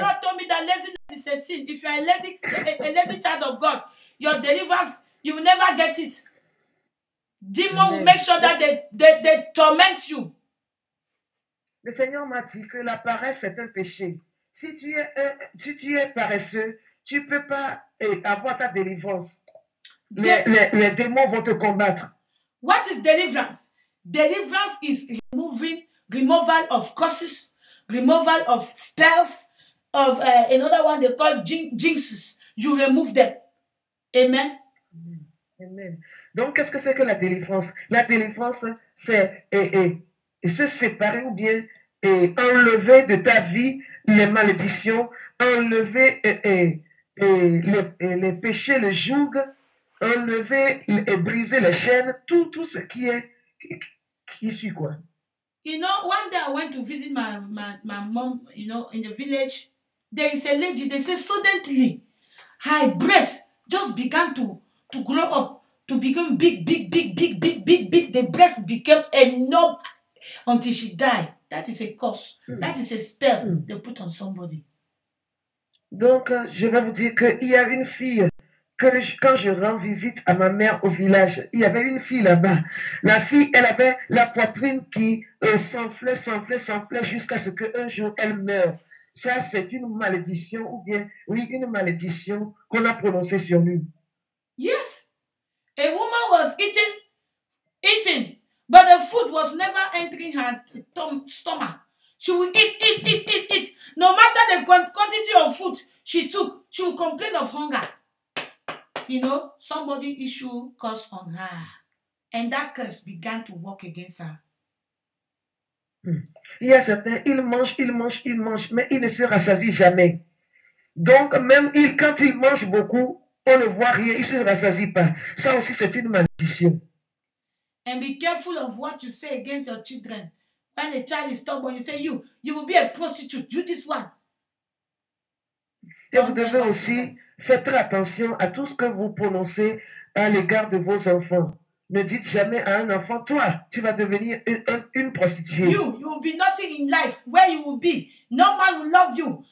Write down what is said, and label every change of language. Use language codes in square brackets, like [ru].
[en] The Lord told me that laziness is a sin. If you are a lazy child of God, your deliverance, you will never get it. Demons will make sure that they torment you. [fr] Le Seigneur m'a dit que la paresse est un péché. Si tu es paresseux, tu ne peux pas avoir ta délivrance. Les démons vont te combattre. [en] What is deliverance? Deliverance is removal of curses, removal of spells, of another one they call jinxes. You remove them. Amen. Amen. [fr] Donc, qu'est-ce que c'est que la délivrance? La délivrance, c'est se séparer ou bien enlever de ta vie les malédictions, enlever les péchés, le joug. Enlever et briser les chaînes, tout ce qui est qui suit quoi. [en] You know, one day I went to visit my mom, you know, in the village. There is a lady. They say suddenly, her breast just began to grow up, to become big, big, big, big, big, big, big. The breast became enormous until she died. That is a curse. Mm. That is a spell they put on somebody. [fr] Donc, je vais vous dire que il y a une fille. Quand je rends visite à ma mère au village, il y avait une fille là-bas. La fille, elle avait la poitrine qui s'enflait jusqu'à ce qu'un jour, elle meure. Ça, c'est une malédiction ou bien, oui, une malédiction qu'on a prononcée sur lui. [en] Yes. A woman was eating, but the food was never entering her stomach. She would eat. No matter the quantity of food she took, she would complain of hunger. You know, somebody issued a curse on her. And that curse began to work against her. [fr] Il y a certains, ils mangent, mais ils ne se rassasient jamais. Donc, même quand ils mangent beaucoup, on ne voit rien, ils ne se rassasient pas. Ça aussi, c'est une malédiction. [en] And be careful of what you say against your children. When a child is stubborn, you say, you will be a prostitute. Do this one. [fr] Et vous devez aussi... Faites très attention à tout ce que vous prononcez à l'égard de vos enfants. Ne dites jamais à un enfant, toi, tu vas devenir une prostituée. [en] You will be nothing in life. Where you will be, no man will love you.